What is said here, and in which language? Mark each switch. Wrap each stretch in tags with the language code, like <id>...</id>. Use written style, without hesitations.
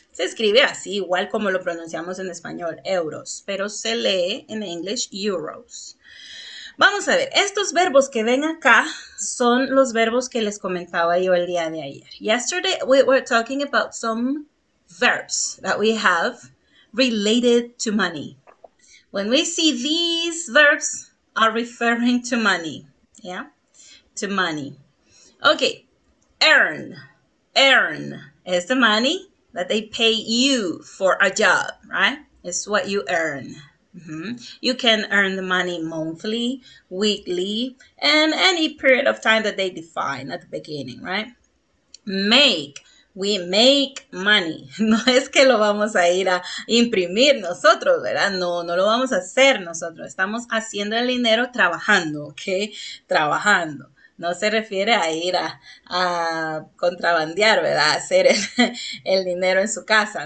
<es>Se escribe así, igual como lo pronunciamos en español, euros, pero se lee en inglés euros. Vamos a ver, estos verbos que ven acá son los verbos que les comentaba yo el día de ayer.</es> <en>Yesterday we were talking about some verbs that we have related to money. When we see these verbs are referring to money, yeah, to money. Okay, earn, earn is the money that they pay you for a job, right? It's what you earn. Mm-hmm. You can earn the money monthly, weekly, and any period of time that they define at the beginning, right? Make, we make money.</en> <es>No es que lo vamos a ir a imprimir nosotros, ¿verdad? No, no lo vamos a hacer nosotros. Estamos haciendo el dinero trabajando, ¿okay? Trabajando. No se refiere a ir a contrabandear, ¿verdad? A hacer el dinero en su casa.</es>